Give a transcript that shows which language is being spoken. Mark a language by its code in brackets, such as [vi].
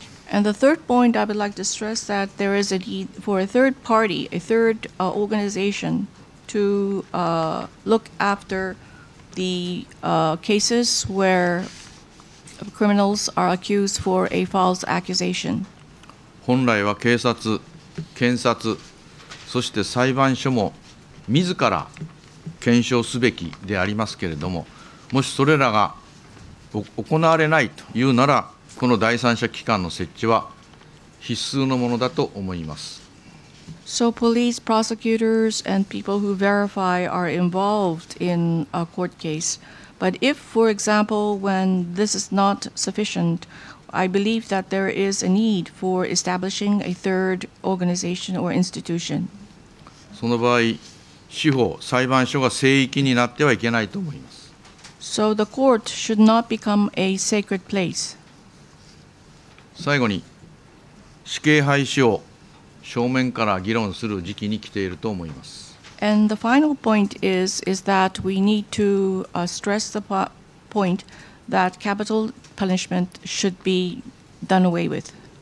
[en] And the third point I would like to stress that there is a need for a third party, a third organization to look after the cases where criminals are accused for a false accusation. [ja] 本来は警察、検察、そして裁判所も自ら検証すべきでありますけれども、もしそれらが行われないというなら、この第三者機関の設置は必須のものだと思います。 [en] So police, prosecutors, and people who verify are involved in a court case. But if, for example, when this is not sufficient, I believe that there is a need for establishing a third organization or institution. [ja] その場合、司法、裁判所が聖域になってはいけないと思います。 [en] So the court should not become a sacred place. [ja] 最後に死刑廃止を正面から議論する時期に来ていると思います。 [en] And the final point is that we need to stress the point that capital punishment should be done away with.